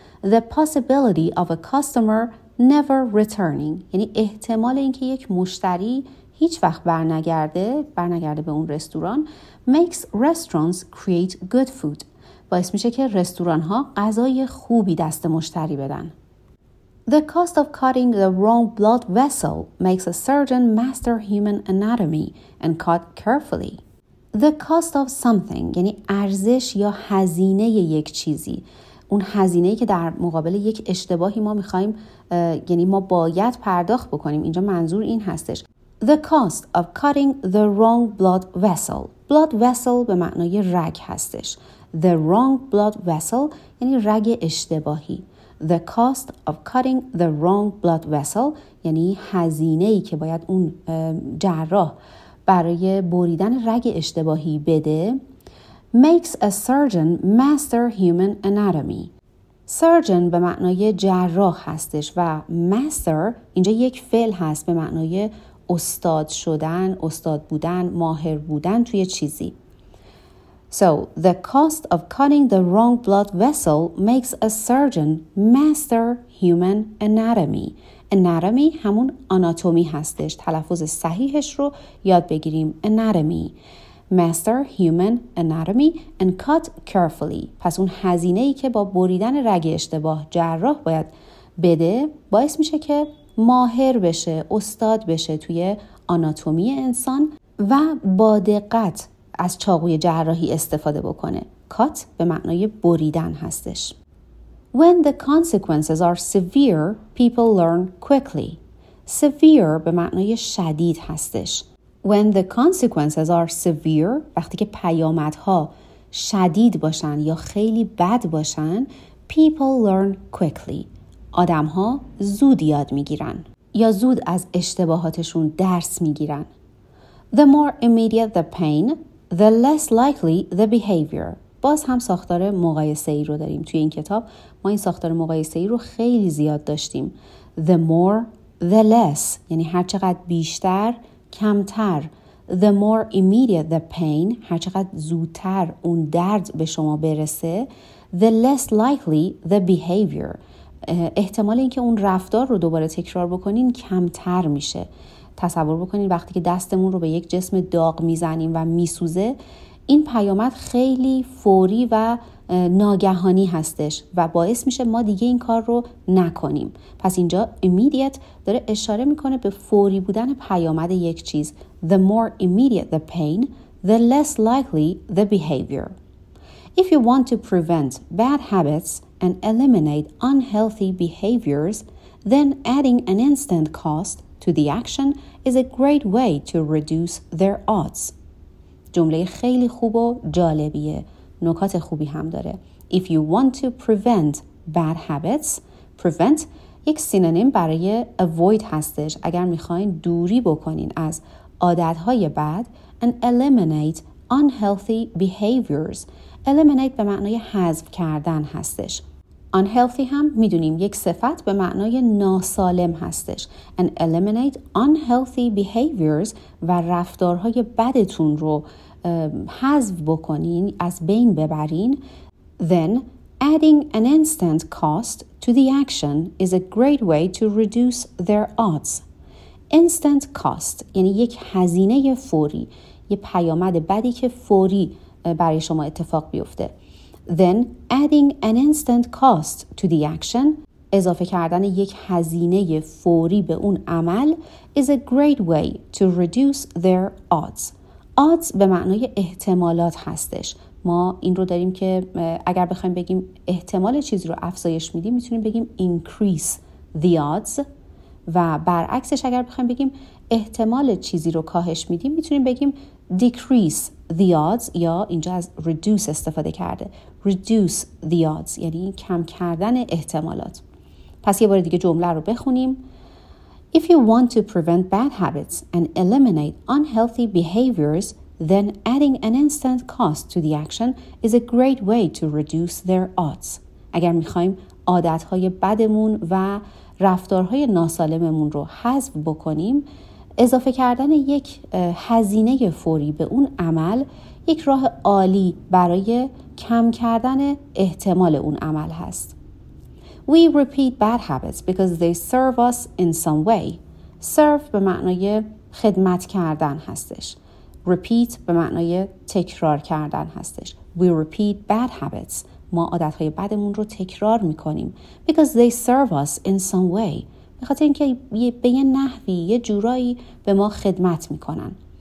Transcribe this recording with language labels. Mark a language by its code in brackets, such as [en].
[en] The possibility of a customer never returning [fa] یعنی احتمال اینکه یک مشتری هیچ وقت برنگرده به اون رستوران, [en] makes restaurants create good food, [fa] باعث میشه که رستوران ها غذای خوبی دست مشتری بدن. [en] The cost of cutting the wrong blood vessel makes a surgeon master human anatomy and cut carefully. The cost of something [fa] یعنی ارزش یا هزینه یک چیزی, اون هزینه‌ای که در مقابل یک اشتباهی ما می‌خوایم, یعنی ما باید پرداخت بکنیم. اینجا منظور این هستش. [en] The cost of cutting the wrong blood vessel. [fa] Blood vessel به معنای رگ هستش. [en] The wrong blood vessel [fa] یعنی رگ اشتباهی. [en] The cost of cutting the wrong blood vessel [fa] یعنی هزینه‌ای که باید اون جراح برای بریدن رگ اشتباهی بده, [en] makes a surgeon master human anatomy. [fa] Surgeon به معنای جراح هستش و master اینجا یک فعل هست به معنای استاد شدن، استاد بودن، ماهر بودن توی چیزی. [en] So, the cost of cutting the wrong blood vessel makes a surgeon master human anatomy. [fa] Anatomy همون آناتومی هستش. تلفظ صحیحش رو یاد بگیریم. [en] Anatomy. Master human anatomy and cut carefully. [fa] پس اون هزینه‌ای که با بریدن رگ اشتباه جراح باید بده باعث میشه که ماهر بشه، استاد بشه توی آناتومی انسان و با دقت از چاقوی جراحی استفاده بکنه. Cut به معنای بریدن هستش. [en] When the consequences are severe, people learn quickly. [fa] Severe به معنای شدید هستش. [en] When the consequences are severe, [fa] وقتی که پیامدها شدید باشن یا خیلی بد باشن, [en] people learn quickly. [fa] آدمها زود یاد میگیرن یا زود از اشتباهاتشون درس میگیرن. [en] The more immediate the pain, the less likely the behavior. [fa] باز هم ساختار مقایسه‌ای رو داریم توی این کتاب. ما این ساختار مقایسه‌ای رو خیلی زیاد داشتیم. [en] The more, the less. [fa] یعنی هر چقدر بیشتر، کمتر. [en] The more immediate the pain. [fa] هر چقدر زودتر اون درد به شما برسه. [en] The less likely the behavior. [fa] احتمال اینکه اون رفتار رو دوباره تکرار بکنین کمتر میشه. تصور بکنین وقتی که دستمون رو به یک جسم داغ میزنیم و میسوزه، این پیامد خیلی فوری و ناگهانی هستش و باعث میشه ما دیگه این کار رو نکنیم. پس اینجا immediate داره اشاره میکنه به فوری بودن پیامد یک چیز. [en] The more immediate the pain, the less likely the behavior. If you want to prevent bad habits and eliminate unhealthy behaviors, then adding an instant cost to the action is a great way to reduce their odds. [fa] جمله خیلی خوب و جالبیه. نکات خوبی هم داره. [en] If you want to prevent bad habits, prevent [fa] یک سینونیم برای [en] avoid هستش. [fa] اگر میخواین دوری بکنین از عادتهای بد [en] and eliminate unhealthy behaviors. [fa] Eliminate به معنای حذف کردن هستش. Unhealthy هم میدونیم یک صفت به معنای ناسالم هستش. [en] And eliminate unhealthy behaviors [fa] و رفتارهای بدتون رو حذف بکنین، از بین ببرین. [en] Then adding an instant cost to the action is a great way to reduce their odds. [fa] Instant cost یعنی یک هزینه فوری، یه پیامد بدی که فوری برای شما اتفاق بیفته. [en] Then adding an instant cost to the action, [fa] اضافه کردن یک هزینه فوری به اون عمل, [en] is a great way to reduce their odds. [fa] Odds به معنای احتمالات هستش. ما این رو داریم که اگر بخوایم بگیم احتمال چیز رو افزایش میدیم میتونیم بگیم [en] increase the odds, [fa] و برعکسش اگر بخوایم بگیم احتمال چیزی رو کاهش میدیم میتونیم بگیم [en] decrease the odds, [fa] یا اینجا از reduce استفاده کرده. [en] Reduce the odds [fa] یعنی کم کردن احتمالات. پس یه بار دیگه جمله رو بخونیم. [en] If you want to prevent bad habits and eliminate unhealthy behaviors, then adding an instant cost to the action is a great way to reduce their odds. [fa] اگر میخوایم عادتهای بدمون و رفتارهای ناسالممون رو حذف بکنیم، اضافه کردن یک هزینه فوری به اون عمل یک راه عالی برای کم کردن احتمال اون عمل هست. [en] We repeat bad habits because they serve us in some way. [fa] Serve به معنای خدمت کردن هستش. Repeat به معنای تکرار کردن هستش. [en] We repeat bad habits. [fa] ما عادتهای بدمون رو تکرار میکنیم. [en] Because they serve us in some way. [fa] به خاطر اینکه به یه نحوی، یه جورایی به ما خدمت میکنن.